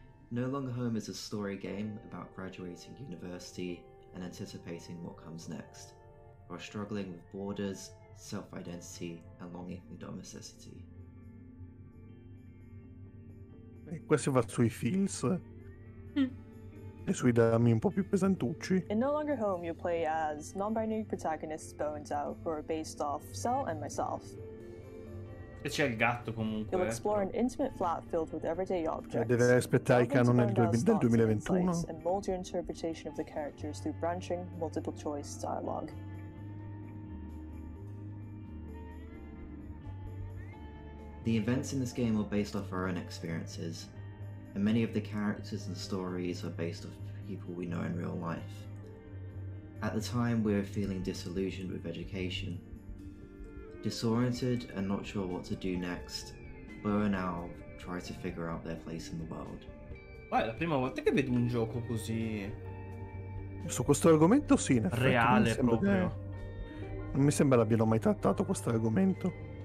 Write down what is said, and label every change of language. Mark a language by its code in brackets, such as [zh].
[en] No Longer Home is a story game about graduating university and anticipating what comes next. Or struggling with borders, self-identity and longing for dumb necessity. [it] E questo va sui feels e sui drammi un po' più pesantucci. [en] In No Longer Home you play as non-binary protagonists Bo and Zhao, who are based off Cell and myself. [it] E c'è il gatto comunque. [en] You'll explore an intimate flat filled with everyday objects. [it] Deve aspettare il canone del 2021. [en] And mold your interpretation of the characters through branching multiple choice dialogue. The events in this game are based off our own experiences, and many of the characters and stories are based off people we know in real life. At the time, we were feeling disillusioned with education. Disoriented and not sure what to do next, Bo and Al try to figure out their place in the world. [it] Ma è la prima volta che vedo un gioco così... Su questo argomento sì, in effetti. Reale proprio. Non mi sembra l'abbiano mai trattato questo argomento.